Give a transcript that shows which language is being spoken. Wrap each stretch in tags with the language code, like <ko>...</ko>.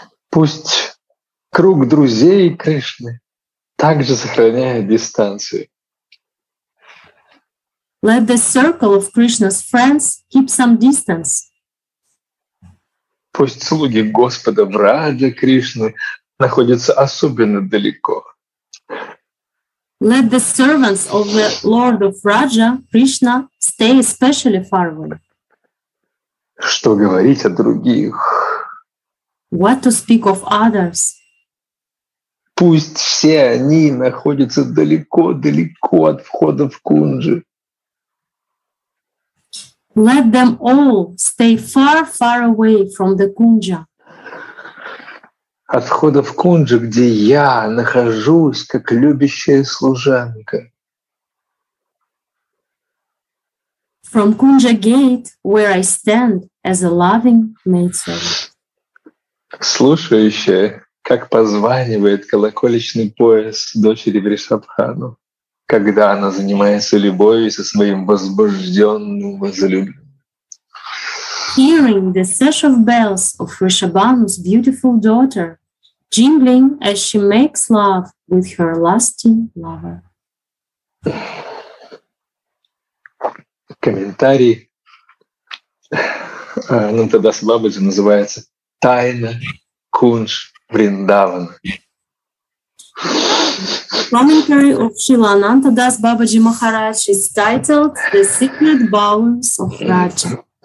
<ru>Пусть круг друзей Кришны также сохраняет дистанцию.</ru> <en>Let the circle of Krishna's friends keep some distance.</en> <ru>Пусть слуги Господа в Раджа Кришны находятся особенно далеко.</ru> <en>Let the servants of the Lord of Raja, Krishna, stay especially far away.</en> <ru>Что говорить о других?</ru> <en>What to speak of others?</en> <ru>Пусть все они находятся далеко-далеко от входа в кунджи.</ru> <en>Let them all stay far, far away from the kunja.</en> <ru>От входа в кунджи, где я нахожусь, как любящая служанка.</ru> <en>From kunja gate, where I stand as a loving maidservant.</en> <ru>Слушающая, как позванивает колокольчный пояс дочери Вришабхану, когда она занимается любовью со своим возбужденным возлюбленным.</ru> <en>Hearing the sash of bells of Vrishabhanu's beautiful daughter jingling as she makes love with her lusty lover.</en> <ru>Комментарий Нантадас Бабаджи называется «Тайна кунж Вриндавана».</ru> <en>Commentary of Srila Anantadas Babaji Maharaj is titled The Secret Bowers of Raja.</en>